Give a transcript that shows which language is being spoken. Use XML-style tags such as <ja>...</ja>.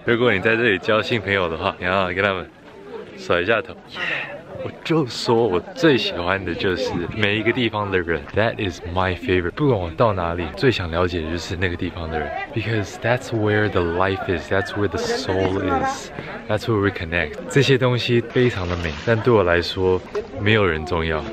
<zh>如果你在这里交新朋友的话，你要跟他们甩一下头。我就说我最喜欢的就是每一个地方的人。</zh> <en>That is my favorite。</en> <zh>不管我到哪里，最想了解的就是那个地方的人。</zh> <en>Because that's where the life is， That's where the soul is， That's where we connect。</en> <zh>这些东西非常的美，但对我来说没有人重要。</zh>